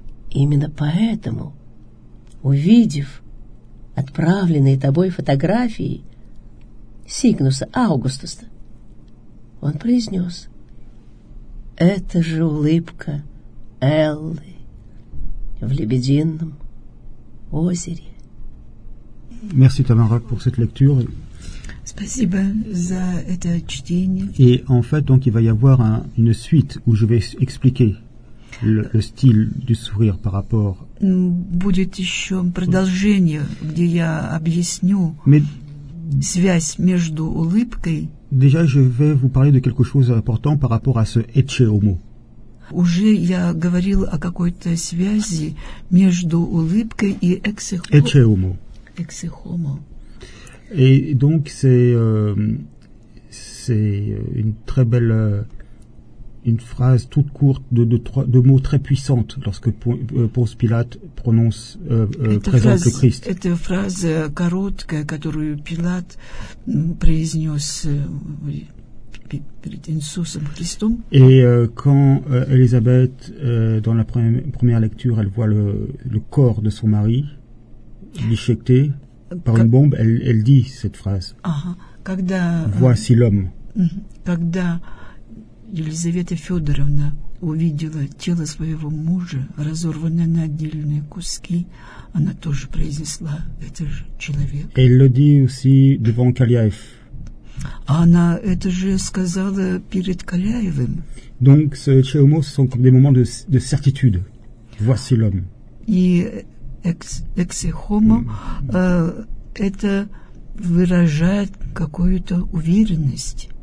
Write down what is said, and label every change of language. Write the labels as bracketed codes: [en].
[ru] И именно поэтому, увидев отправленные тобой фотографии Сигнуса Аугустуса, он произнес: это же улыбка Эллы в Лебедином озере. [fr] Merci, Tamara, pour cette lecture. [ru] Спасибо за это чтение. [fr] Et en fait, donc, il va y avoir une suite où je vais expliquer le style du sourire par rapport... [ru] Будет еще продолжение, где я объясню связь между улыбкой. [fr] Déjà, je vais vous parler de quelque chose d'important par rapport à ce «ecce homo». [ru] Уже я говорил о какой-то связи между улыбкой и [la] «ecce homo». «Ecce homo». [fr] Et donc, c'est une très belle... une phrase toute courte de mots très puissantes lorsque Ponce Pilate prononce présente le Christ. Cette phrase courte que Pilate prononce Jésus comme Christ. Et quand Élisabeth dans la première lecture, elle voit le corps de son mari déchiqueté par une bombe, elle dit cette phrase. Voici l'homme. [ru] Когда Елизавета Федоровна увидела тело своего мужа, разорванное на отдельные куски, она тоже произнесла: это же человек. [fr] Elle le dit aussi devant Kaliaev. [ru] Она это же сказала перед Каляевым. [fr] Donc, ce «ecce homo» sont comme des moments de certitude. Voici l'homme. [ru] И «ecce homo» это выражает какую-то уверенность.